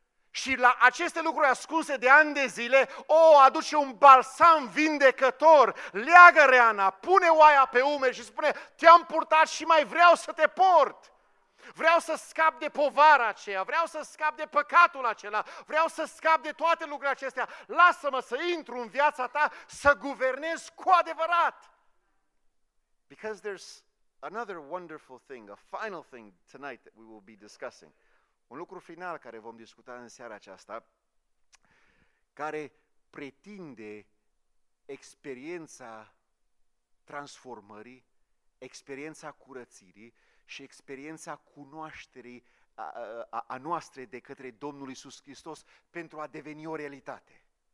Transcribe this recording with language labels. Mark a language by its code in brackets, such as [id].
[ro] Și la aceste lucruri ascunse de ani de zile, aduce un balsam vindecător, leagă reana, pune oaia pe umeri și spune, te-am purtat și mai vreau să te port. Vreau să scap de povara aceea, vreau să scap de păcatul acela, vreau să scap de toate lucrurile acestea. Lasă-mă să intru în viața ta, să guvernez cu adevărat. [en] Because there's another wonderful thing, a final thing tonight that we will be discussing. [ro] Un lucru final care vom discuta în seara aceasta, care pretinde experiența transformării, experiența curățirii și experiența cunoașterii a noastre de către Domnul Iisus Hristos pentru a deveni o realitate.